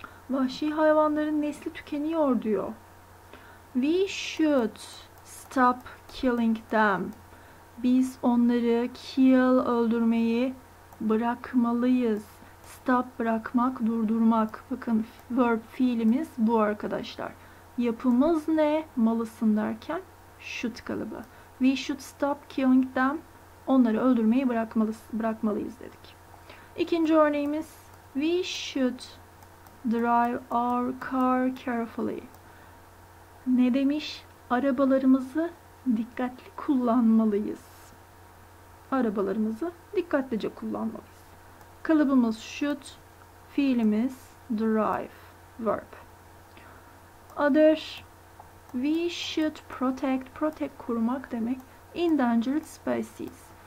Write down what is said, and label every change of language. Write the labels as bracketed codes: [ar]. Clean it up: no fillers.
[tr] Vahşi hayvanların nesli tükeniyor diyor. [en] We should stop killing them. [tr] Biz onları öldürmeyi bırakmalıyız. Stop, bırakmak, durdurmak. Bakın verb fiilimiz bu arkadaşlar. Yapımız ne? Malısın derken should kalıbı. [en] We should stop killing them. [tr] Onları öldürmeyi bırakmalıyız dedik. İkinci örneğimiz. [en] We should drive our car carefully. [tr] Ne demiş? Arabalarımızı dikkatli kullanmalıyız. Arabalarımızı dikkatlice kullanmalıyız. Kalıbımız should, fiilimiz drive, verb. [en] Other, we should protect, protect [tr] korumak demek, [en] endangered species.